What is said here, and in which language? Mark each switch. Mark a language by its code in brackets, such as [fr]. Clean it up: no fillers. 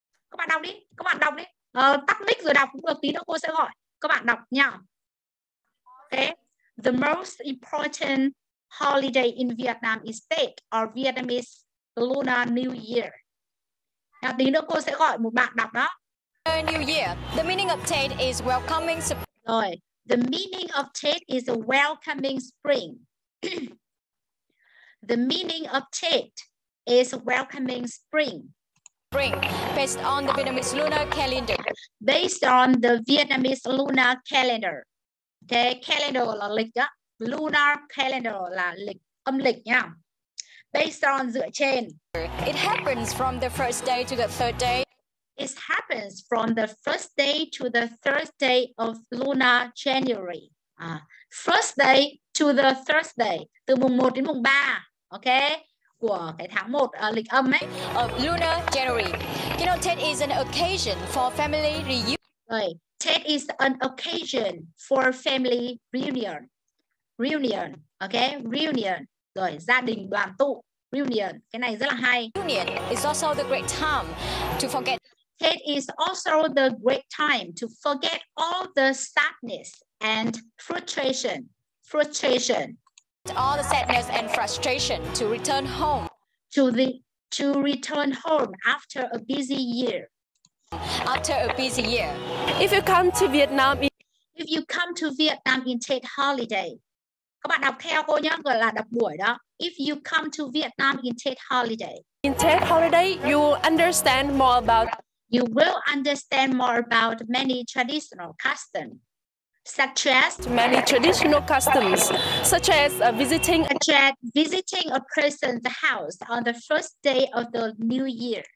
[vi] Các bạn đọc đi, các bạn đọc đi. Tắt mic rồi đọc cũng được, tí nữa cô sẽ gọi. Các bạn đọc nha. Ok. [en] The most important holiday in Vietnam is Tết or Vietnamese Lunar New Year. [vi] Nào, tí nữa cô sẽ gọi một bạn đọc đó. [en] New Year. The meaning of Tết is welcoming spring. [vi] Rồi. [en] The meaning of Tết is a welcoming spring. The meaning of Tết is welcoming spring. Spring based on the Vietnamese lunar calendar. Based on the Vietnamese lunar calendar. The calendar [vi] là lịch đó. Lunar calendar là lịch âm lịch nha. Based on dựa trên. [en] It happens from the first day to the third day. It happens from the first day to the third day of lunar January. First day to the third day. [vi] Từ mùng 1 đến mùng 3, [en] okay? [vi] Của cái tháng 1 lịch âm ấy. [en] Of lunar January. You know, Tết is an occasion for family reunion. Rồi. Tết is an occasion for family reunion. [vi] Reunion, okay, reunion, rồi gia đình đoàn tụ, reunion, cái này rất là hay. [en] Reunion is also the great time to forget. It is also the great time to forget all the sadness and frustration. All the sadness and frustration to return home. To return home after a busy year. After a busy year. If you come to Vietnam. If you come to Vietnam in Tết holiday. [vi] Các bạn đọc theo cô nhé, gọi là đọc buổi đó. [en] If you come to Vietnam in Tết holiday. In Tết holiday, you will understand more about. You will understand more about many traditional customs. Such as. Many traditional customs. Such as visiting. Such as visiting a person's house on the first day of the new year.